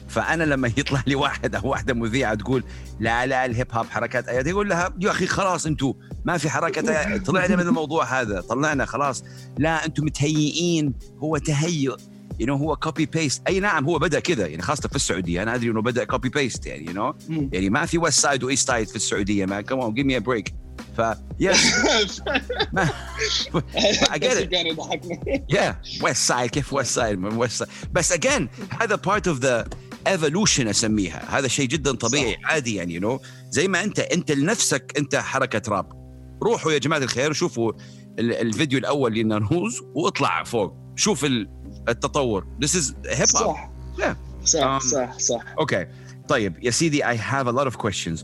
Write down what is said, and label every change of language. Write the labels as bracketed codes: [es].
[ar] فأنا لما يطلع لي واحد أو واحدة مذيعة تقول لا لا الهيب هوب حركات أيادي، يقول لها يا أخي خلاص أنتوا ما في حركات، طلعنا من الموضوع هذا، طلعنا خلاص، لا أنتوا متهيئين، هو تهيئ، [en] you know، [ar] هو [en] copy paste. [ar] أي نعم هو بدأ كذا يعني، خاصة في السعودية، أنا أدري إنه بدأ [en] copy paste [ar] يعني، [en] you know. [ar] يعني ما في west side و east side في السعودية، ما [en] come on give me a break. ف yes I get it. yeah west side، [ar] كيف west side من west side؟ بس [en] again [ar] هذا [en] part of the evolution [ar] أسميها، هذا شيء جدا طبيعي عادي يعني، [en] you know. [ar] زي ما أنت لنفسك أنت حركة راب، روحوا يا جماعة الخير شوفوا الفيديو الأول اللي نروز واطلع فوق، شوف التطور. [en] This is hip hop. [ar] صح. [en] Yeah. [ar] صح. صح. صح. [en] Okay. [ar] طيب يا سيدي [en] I have a lot of questions.